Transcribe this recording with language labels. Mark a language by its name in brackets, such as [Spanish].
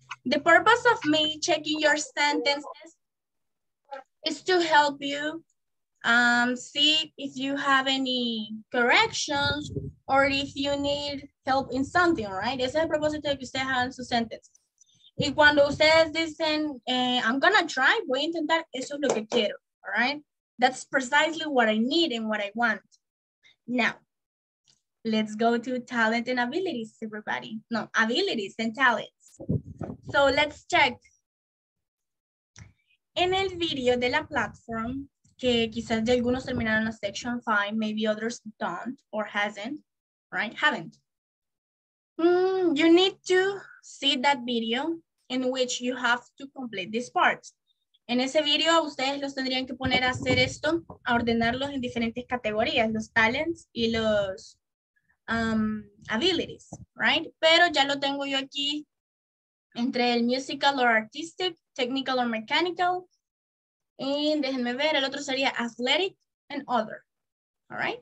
[English] The purpose of me checking your sentences is to help you see if you have any corrections or if you need help in something, right? [Spanish] Ese es el propósito de que ustedes hagan sus sentences. Y cuando ustedes dicen, [English] I'm gonna try, [Spanish] voy a intentar, eso es lo que quiero, all right? [English] That's precisely what I need and what I want. Now, let's go to talent and abilities, everybody. No, abilities and talents. So let's check. [Spanish] En el video de la platform, que quizás de algunos terminaron la section 5, [English] maybe others don't or hasn't, right? Haven't. You need to see that video in which you have to complete these parts. [Spanish] En ese video, ustedes los tendrían que poner a hacer esto, a ordenarlos en diferentes categorías, los talents y los abilities, right? Pero ya lo tengo yo aquí entre el musical or artistic, technical or mechanical, y déjenme ver, el otro sería athletic and other, all right?